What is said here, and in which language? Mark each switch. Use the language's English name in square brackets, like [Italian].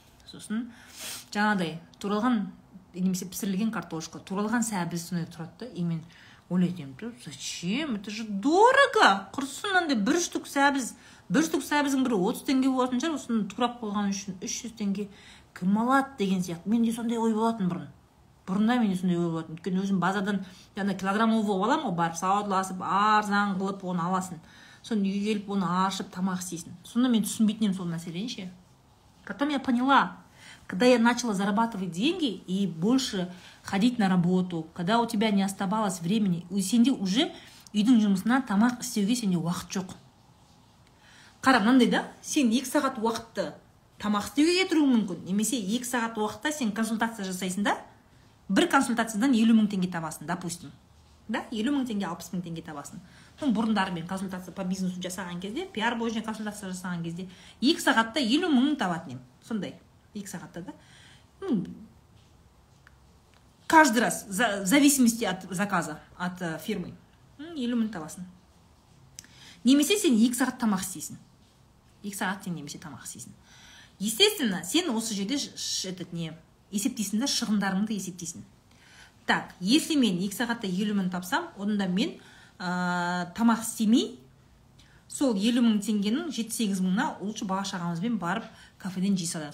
[Kazakh] Сосын жаңағыдай туралған немесе пісірілген картошка, туралған сәбіз сондай тұрады да, и мен ойлайтын едім, [Russian] зачем, это же дорого, [Kazakh] құрсын андай бір штук сәбіз, бір штук сәбіздің бірі 30 теңге болатын шығар, осыны турап қойған үшін 300 теңге кім алады деген сияқты. Менде сондай ой болатын бұрын. Бұрында менде сондай ой болатын, өйткені өзім базардан жаңағы килограммовый аламын ғой, барып саудаласып арзан қылып оны аласың. Сон үйге келіп оны ашып тамақ істейсің. Сонда мен түсінбейтін едім сол мәселені ше. [Russian] Потом я поняла, когда я начала зарабатывать деньги и больше ходить на работу, когда у тебя не оставалось времени, [Kazakh] сенде уже үйдің жұмысына тамақ істеуге сенде уақыт жоқ. Қара, мынандай да, сен 2 сағат уақытты тамақ істеуге кетіруің мүмкін, немесе 2 сағат уақытта сен консультация жасайсың да, бір консультациядан 50 мың теңге табасың, [Russian] допустим. [Kazakh] Да, 50 мың теңге, 60 мың теңге табасың. Бұрындары мен консультация [Russian] по бизнесу [Kazakh] жасаған кезде, пиар бойынша консультация жасаған кезде 2 сағатта 50 мың табатын едім. Сондай 2 сағатта да. [Russian] Каждый раз, в зависимости от заказа, от фирмы, [Kazakh] 50 мың табасың. Немесе сен 2 сағат тамақ істейсің. 2 сағат сен немесе тамақ істейсің. [Russian] Естественно, [Kazakh] сен осы жерде есептейсің да, шығындарыңды есептейсің. [Russian] Так, если [Kazakh] мен 2 сағатта 50 мың тапсам, онда мен тамақ істемей сол 50 мың теңгенің 7-8 мыңына [Russian] лучше [Kazakh] бала шағамызбен барып кафеден жей салайық.